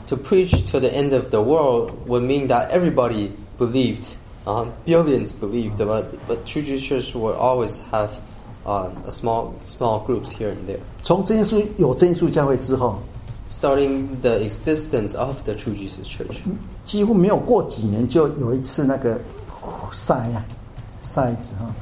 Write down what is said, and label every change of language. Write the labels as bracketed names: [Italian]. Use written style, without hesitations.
[English] To preach to the end of the world would mean that everybody believed, billions believed, but true Jesus will always have small groups here and there. [Chinese] 从真耶稣有真耶稣教会之后, [English] starting the existence of the True Jesus Church, [Chinese] 几乎没有过几年就有一次那个筛子